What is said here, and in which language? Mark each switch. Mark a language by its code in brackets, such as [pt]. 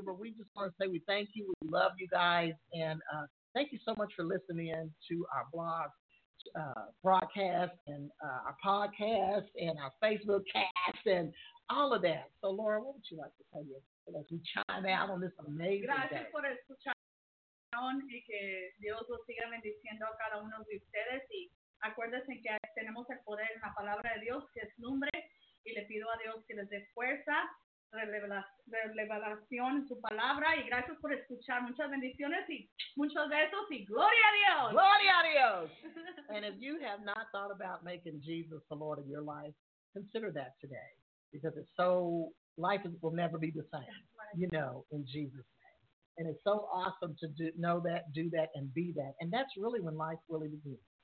[en] But we just want to say we thank you. We love you guys. And thank you so much for listening in to our blog. Broadcast and our podcast and our Facebook cast and all of that. So, Laura, what would you like to tell you as we chime out on this amazing [es] Gracias [en] day? [es] Gracias por escuchar y que Dios los siga bendiciendo a cada uno de ustedes. Y acuérdense que tenemos el poder en la palabra de Dios, que es lumbre, y le pido a Dios que les dé fuerza. Revelación en su palabra, y gracias por escuchar. Muchas bendiciones y muchos besos y gloria a Dios. Gloria a Dios. [en] And if you have not thought about making Jesus the Lord of your life, consider that today, because it's so, life will never be the same, you know, in Jesus' name. And it's so awesome to know that, and be that. And that's really when life really begins.